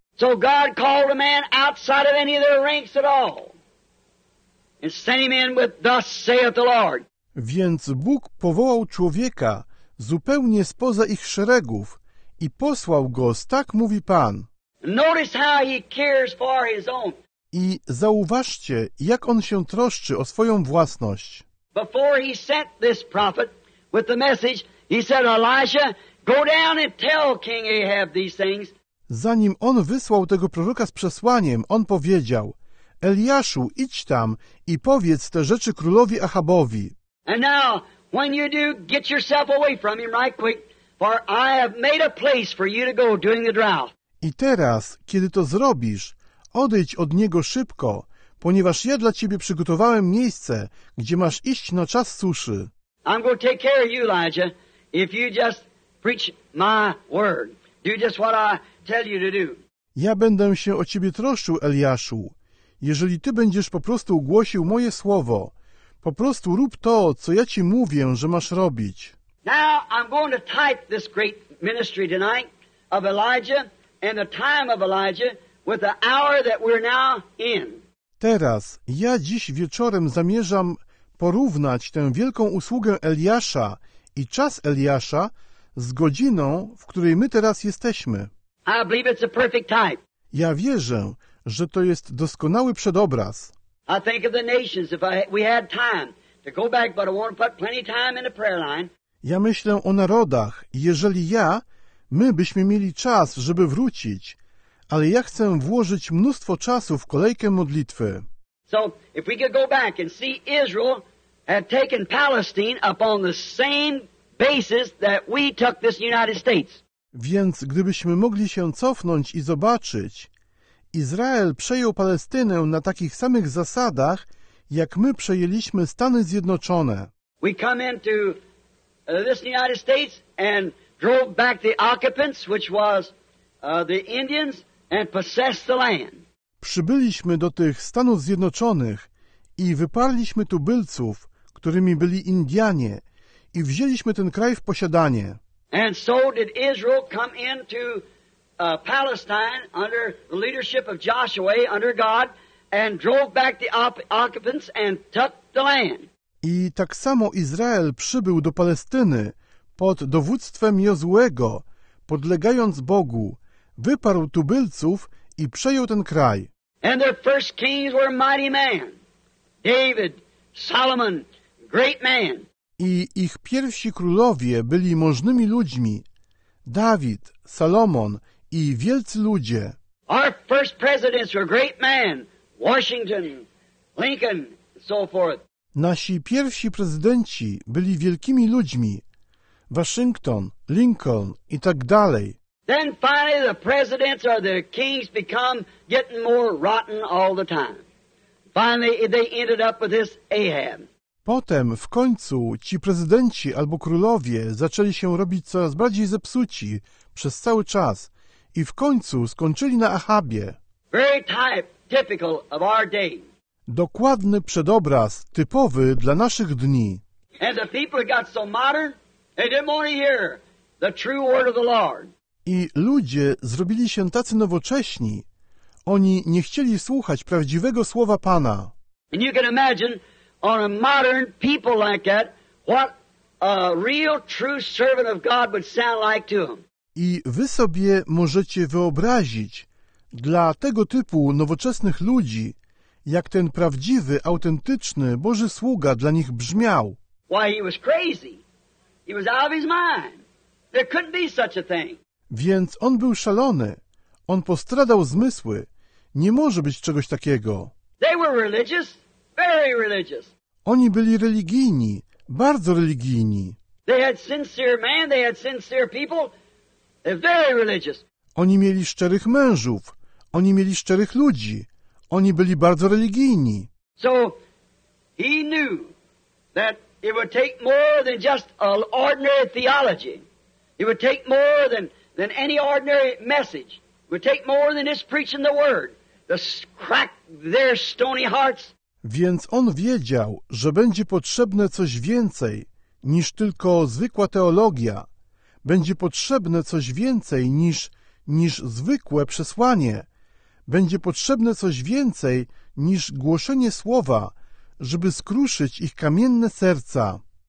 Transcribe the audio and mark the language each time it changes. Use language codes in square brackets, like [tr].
[en] So God called a man outside of any of their ranks at all and sent him in with thus saith the Lord. [pl] Więc Bóg powołał człowieka zupełnie spoza ich szeregów i posłał go z tak mówi Pan. [en] Notice how he cares for his own. [pl] I zauważcie, jak on się troszczy o swoją własność. [en] Before he sent this prophet with the message, he said, Elisha, go down and tell King Ahab these things. [pl] Zanim on wysłał tego proroka z przesłaniem, on powiedział, Eliaszu, idź tam i powiedz te rzeczy królowi Achabowi. [en] And now, when you do, get yourself away from him right quick, for I have made a place for you to go during the drought. [pl] I teraz, kiedy to zrobisz, odejdź od niego szybko, ponieważ ja dla ciebie przygotowałem miejsce, gdzie masz iść na czas suszy. [en] I'm going to take care of you, Elijah, if you just preach my word. Do just what I tell you to do. [pl] Ja będę się o ciebie troszczył, Eliaszu. Jeżeli ty będziesz po prostu głosił moje słowo, po prostu rób to, co ja ci mówię, że masz robić. [en] Now I'm going to type this great ministry tonight of Elijah and the time of Elijah with the hour that we're now in. [pl] Teraz ja dziś wieczorem zamierzam porównać tę wielką usługę Eliasza i czas Eliasza z godziną, w której my teraz jesteśmy. [en] I believe it's a perfect type. [pl] Ja wierzę, że to jest doskonały przedobraz. [en] I think of the nations, if we had time to go back, but I want to put plenty of time in the prayer line. [pl] Ja myślę o narodach, jeżeli my byśmy mieli czas, żeby wrócić, ale ja chcę włożyć mnóstwo czasu w kolejkę modlitwy. [en] So, if we could go back and see Israel had taken Palestine upon the same basis that we took this United States. [pl] Więc gdybyśmy mogli się cofnąć i zobaczyć, Izrael przejął Palestynę na takich samych zasadach, jak my przejęliśmy Stany Zjednoczone. [en] We come into this United States and drove back the occupants, which was the Indians, and possessed the land. [pl] Przybyliśmy do tych Stanów Zjednoczonych i wyparliśmy tubylców, którymi byli Indianie, i wzięliśmy ten kraj w posiadanie. [en] And so did Israel come into Palestine under the leadership of Joshua, under God, and drove back the occupants and took the land. [pl] I tak samo Izrael przybył do Palestyny pod dowództwem Jozuego, podlegając Bogu, wyparł tubylców i przejął ten kraj. [en] And their first kings were mighty men. David, Solomon, great man. [pl] I ich pierwsi królowie byli możnymi ludźmi. Dawid, Salomon i wielcy ludzie. [en] Our first presidents were great men. Washington, Lincoln, so forth. [pl] Nasi pierwsi prezydenci byli wielkimi ludźmi. Waszyngton, Lincoln i tak dalej. [en] Then finally the presidents or the kings become getting more rotten all the time. Finally they ended up with this Ahab. [pl] Potem w końcu ci prezydenci albo królowie zaczęli się robić coraz bardziej zepsuci przez cały czas i w końcu skończyli na Achabie. [en] Very type, typical of our day. [pl] Dokładny przedobraz, typowy dla naszych dni. [en] And the people got so modern, they didn't want to hear the true word of the Lord. [pl] I ludzie zrobili się tacy nowocześni. Oni nie chcieli słuchać prawdziwego słowa Pana. [en] And you can imagine on a modern people like that what a real true servant of God would sound like to them. [pl] I wy sobie możecie wyobrazić dla tego typu nowoczesnych ludzi, jak ten prawdziwy, autentyczny Boży sługa dla nich brzmiał. [en] Why, he was crazy. He was out of his mind. There couldn't be such a thing. [pl] Więc on był szalony. On postradał zmysły. Nie może być czegoś takiego. [en] They were religious, very religious. [pl] Oni byli religijni, bardzo religijni. [en] They had sincere men, they had sincere people. They're very religious. [pl] Oni mieli szczerych mężów. Oni mieli szczerych ludzi. Oni byli bardzo religijni. [en] So he knew that it would take more than just an ordinary theology. It would take more than any ordinary message. It would take more than just preaching the word to crack their stony hearts. [pl] Więc on wiedział, że będzie potrzebne coś więcej niż tylko zwykła teologia. Będzie potrzebne coś więcej niż zwykłe przesłanie. Będzie potrzebne coś więcej niż głoszenie słowa, żeby skruszyć ich kamienne serca.